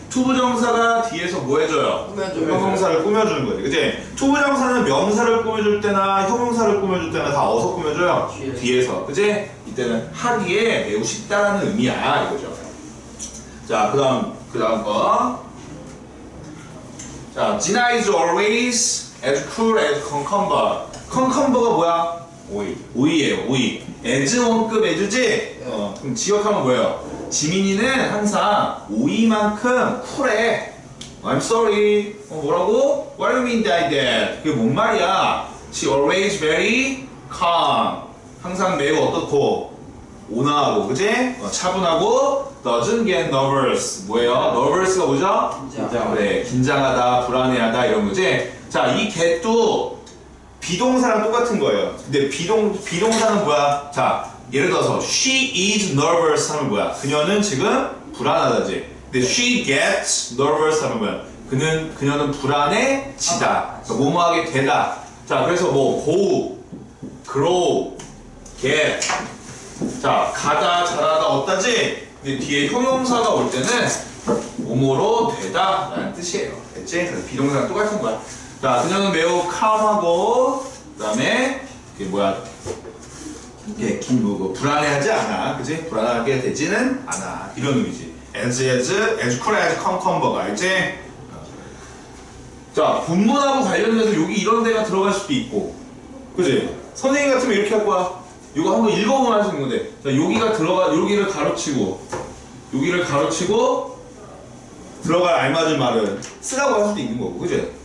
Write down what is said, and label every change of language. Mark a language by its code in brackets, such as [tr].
[ko] 투부정사가 뒤에서 뭐 해줘요? 꾸며줘요. 형용사를 꾸며주는 거지. 그치? 투부정사는 명사를 꾸며줄 때나 형용사를 꾸며줄 때나 다 어디서 꾸며줘요? 뒤에서. 그치? 이때는 하기에 매우 쉽다라는 의미야. 이거죠. 자, 그 다음, 그 다음 거. [en] 자, Gina is always as cool as cucumber. [ko] cucumber가 뭐야? 오이. 오이에요, 오이. as 원급 as지? 어, 그럼 직역하면 뭐예요? 지민이는 항상 오이만큼 쿨해. [en] I'm sorry. [ko] 어, 뭐라고? [en] What do you mean by that? [ko] 그게 뭔 말이야? [en] She always very calm. [ko] 항상 매우 어떻고? 온화하고, 그지? 어, 차분하고, [en] doesn't get nervous. [ko] 뭐예요? nervous가 뭐죠? 긴장. 그래, 긴장하다, 불안해하다, 이런 거지? 자, 이 get도 비동사랑 똑같은 거예요. 근데 비동사는 뭐야? 자, 예를 들어서 [en] she is nervous [ko] 하면 뭐야? 그녀는 지금 불안하다지. 근데 [en] she gets nervous [ko] 하면 뭐야? 그녀는 불안해지다. 그러니까 뭐뭐하게 되다. 자, 그래서 뭐 go, grow, get. 자, 가다, 자라다, 어떠지? 근데 뒤에 형용사가 올 때는 뭐뭐로 되다라는 뜻이에요. 됐지? 그래서 비동사랑 똑같은 거야. 자, 그녀는 매우 calm하고 그 다음에 그게 뭐야? 이게 긴 뭐고 불안해하지 않아, 그지? 불안하게 되지는 않아, 이런 의미지. [en] as cool as cucumber [ko] 가 알지? 자, 본문하고 관련돼서 여기 이런 데가 들어갈 수도 있고, 그지? 선생님 같으면 이렇게 할 거야. 이거 한번 읽어보면 하시는 건데, 자, 여기가 들어가, 여기를 가로치고, 여기를 가로치고 들어갈 알맞은 말은 쓰라고 할 수도 있는 거고, 그지?